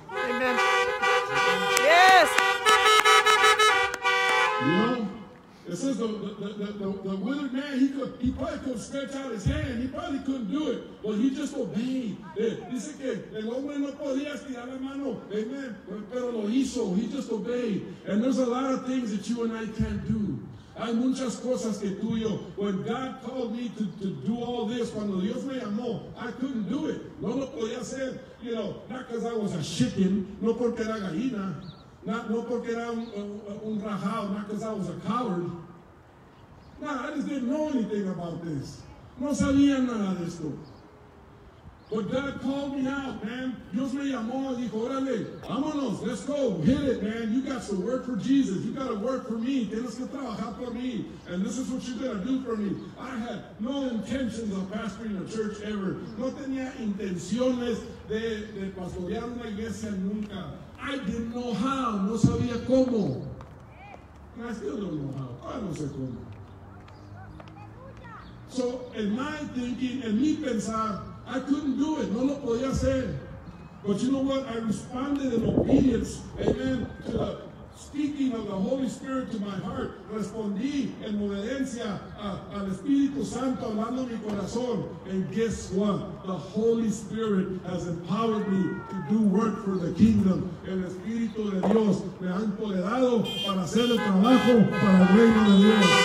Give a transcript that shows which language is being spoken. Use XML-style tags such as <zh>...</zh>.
<en>Amen. Yes. You know? It says the withered man, he probably couldn't stretch out his hand. He probably couldn't do it. But he just obeyed.</en> <es>Dice que el hombre no podía estirar la mano.</es> <en>Amen.</en> <es>Pero lo hizo.</es> <en>He just obeyed. And there's a lot of things that you and I can't do.</en> <es>Hay muchas cosas que tú y yo.</es> <en>When God called me to do all this,</en> <es>cuando Dios me llamó,</es> <en>I couldn't do it.</en> <es>No lo podía hacer.</es> <en>You know, not because I was a chicken.</en> <es>No porque era gallina. No porque era un rajado,</es> <en>not because I was a coward. No, I just didn't know anything about this.</en> <es>No sabía nada de esto.</es> <en>But God called me out, man.</en> <es>Dios me llamó y dijo, órale, vámonos,</es> <en>let's go. Hit it, man. You got to work for Jesus. You got to work for me.</en> <es>Tienes que trabajar por mí.</es> <en>And this is what you're going to do for me. I had no intentions of pastoring a church ever.</en> <es>No tenía intenciones de pastorear una iglesia nunca.</es> <en>I didn't know how.</en> <es>No sabía cómo.</es> <en>And I still don't know how. I</en> <es>no sé cómo.</es> <en>So, in my thinking, in mi pensar, I couldn't do it.</en> <es>No lo podía hacer.</es> <en>But you know what? I responded in obedience. Amen. To the speaking of the Holy Spirit to my heart,</en> <es>respondí en obediencia al Espíritu Santo hablando mi corazón.</es> <en>And guess what? The Holy Spirit has empowered me to do work for the kingdom.</en> <es>El Espíritu de Dios me ha empoderado para hacer el trabajo para el reino de Dios.</es>